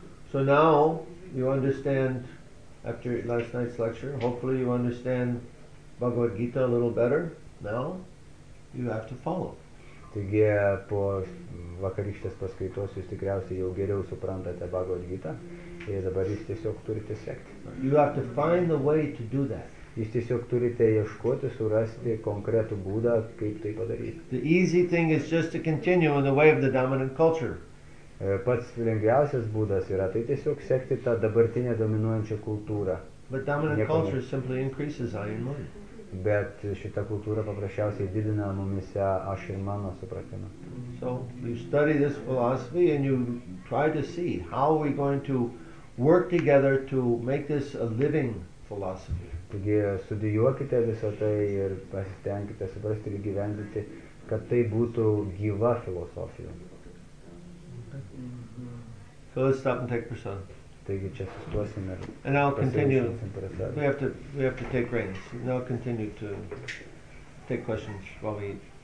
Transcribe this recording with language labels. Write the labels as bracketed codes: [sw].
[en] So now you understand after last night's lecture, hopefully you understand Bhagavad Gita a little better. Now you have to follow. [lt] Taigi po vakarykštės paskaitos jūs tikriausiai jau geriau suprantate Bhagavad Gita. Ir dabar jūs tiesiog turite sekti. [en] You have to find the way to do that. [lt] Jūs tiesiog turite ieškoti, surasti konkretų būdą, kaip tai padaryti. [en] The easy thing is just to continue in the way of the dominant culture. [lt] Pats lengviausias būdas yra tai tiesiog sekti tą dabartinę dominuojančią kultūrą. [en] But dominant culture simply increases I and mine. [lt] Bet šita kultūra paprasčiausiai didina mumise aš ir mano supratimą. [en] So you study this philosophy and you try to see how we going to work together to make this a living philosophy. [lt] Taigi studijuokite visą tai ir pasistengite suprasti ir gyvendyti, kad tai būtų gyva filosofija. [en] So let's stop and take prasad. [lt] Taigi čia sustosim ir [en] and I'll continue. We have to take rains. Now continue to take questions while we